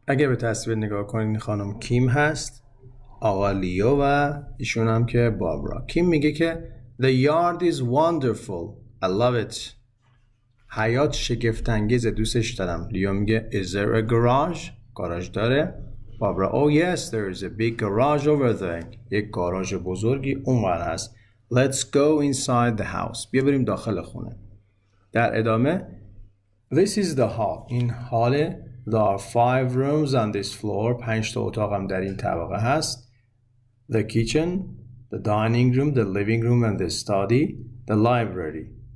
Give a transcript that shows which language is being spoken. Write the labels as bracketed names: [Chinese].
[Persian] اگه به تصویر نگاه کنین خانم کیم هست، آقا لیو و ایشون هم که بابرا. کیم میگه که [English] The yard is wonderful. I love it. [Persian] حیات شگفت انگیزه، دوستش دارم. لیو میگه [English] Is there a garage؟ [Persian] گاراژ داره. [English] بابرا: Oh yes, there is a big garage over there. [Persian] یک گاراژ بزرگی اونور هست. [English] Let's go inside the house. [Persian] بیا بریم داخل خونه. در ادامه: [English] This is the hall. [Persian] این حاله. [English] There are 5 rooms on this floor. [Persian] 5 تا اتاق هم در این طبقه هست. [English] The kitchen, the dining room, the living room and the study, the library.